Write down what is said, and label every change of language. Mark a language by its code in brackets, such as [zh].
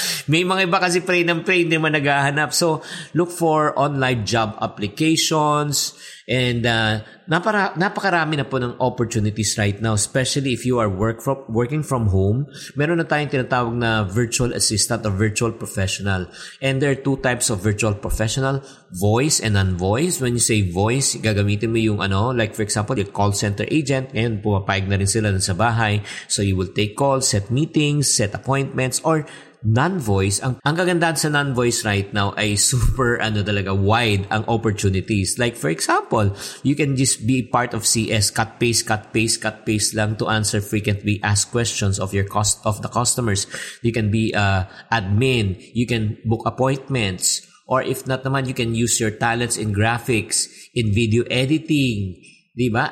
[tl] May mga iba kasi pray ng pray, hindi man naghahanap. [en] So, look for online job applications. And [tl] napakarami na po ng [en] opportunities right now, especially if you are working from home. [tl] Meron na tayong tinatawag na virtual assistant or virtual professional. [en] And there are two types of virtual professional, voice and non-voice. When you say voice, [tl] gagamitin mo yung ano, [en] like for example, yung call center agent. [tl] Ngayon, pumapayag na rin sila na sa bahay. [en] So you will take calls, set meetings, set appointments, or non-voice. [tl] Ang kagandahan sa non-voice [en] right now [tl] ay super ano talaga wide ang opportunities. [en] Like for example, you can just be part of CS, cut paste lang to answer frequently asked questions of your cost of the customers. You can be admin, you can book appointments, or if not naman, you can use your talents in graphics, in video editing. Diba?